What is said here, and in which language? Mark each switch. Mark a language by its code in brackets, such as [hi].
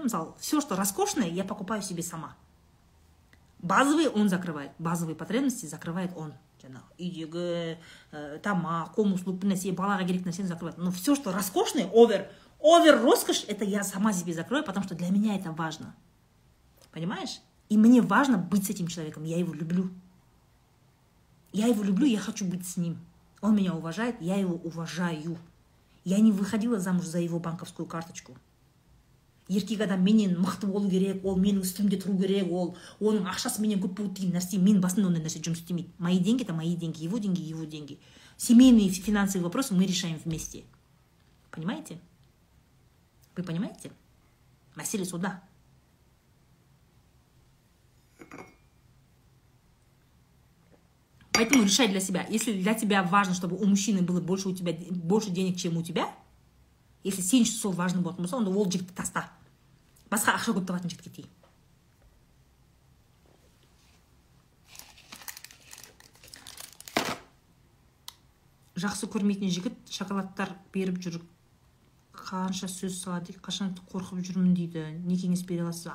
[ru] Мысалы, все, что роскошное, я покупаю себе сама. Базовые он закрывает. Базовые потребности закрывает он. [kk] Үйдегі тамақ, ком услуги, нәрсе, балаға керек нәрсені закрывает. [ru] Но все, что роскошное, овер роскошь, это я сама себе закрываю, потому что для меня это важно. Понимаешь? И мне важно быть с этим человеком. Я его люблю. Я его люблю, я хочу быть с ним. Он меня уважает, я его уважаю. Я не выходила замуж за его банковскую карточку. [kk] Еркек адам менен мықты болу керек, ол менің үстімде тұру керек, ол оның ақшасы менен көп болу деген нәрсе, мен басында ондай нәрсе жұмыс істемейді. [ru] Мои деньги это мои деньги, его деньги его деньги. Семейные финансовые вопросы мы решаем вместе. Понимаете? Вы понимаете? [kk] Мәселе сонда. [ru] Поэтому решай для себя. Если для тебя важно, чтобы у мужчины было больше денег, чем у тебя, [kk] если сен үшін сол важны болатын болса, онда ол жігітті таста. Басқа ақша көп табатын жігітке тей. Жақсы көрмейтін жігіт шоколадтар беріп жүр. Қанша сөз салады, қашан қорқып жүрмін дейді. Не кеңес бере аласыз?